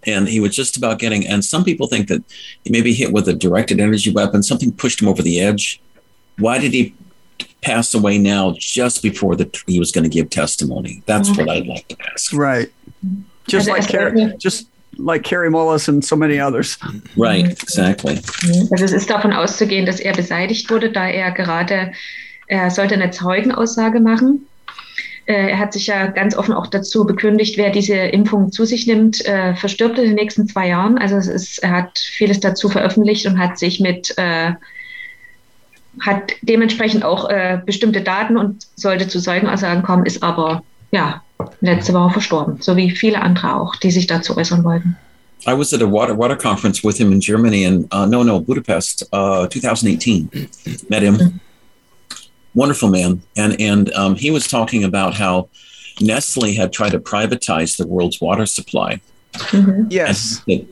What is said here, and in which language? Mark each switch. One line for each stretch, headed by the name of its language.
English: And he was just about getting, and some people think that he may be hit with a directed energy weapon. Something pushed him over the edge. Why did he pass away now just before he was going to give testimony? That's what I'd like to ask. Right. Just like like Carey Mullis and so many others. Right, exactly.
German: Also es ist davon auszugehen, dass er beseitigt wurde, da er gerade, er sollte eine Zeugenaussage machen. Er hat sich ja ganz offen auch dazu bekündigt, wer diese Impfung zu sich nimmt, verstirbt in den nächsten 2 Jahren. Also er hat vieles dazu veröffentlicht und hat sich hat dementsprechend auch bestimmte Daten und sollte zu Zeugenaussagen kommen, ist aber letzte Woche verstorben, so wie viele andere auch, die sich dazu äußern wollten.
English: I was at a water conference with him in Germany in Budapest, 2018. Met him. Wonderful man. And he was talking about how Nestle had tried to privatize the world's water supply. Mm-hmm. Yes.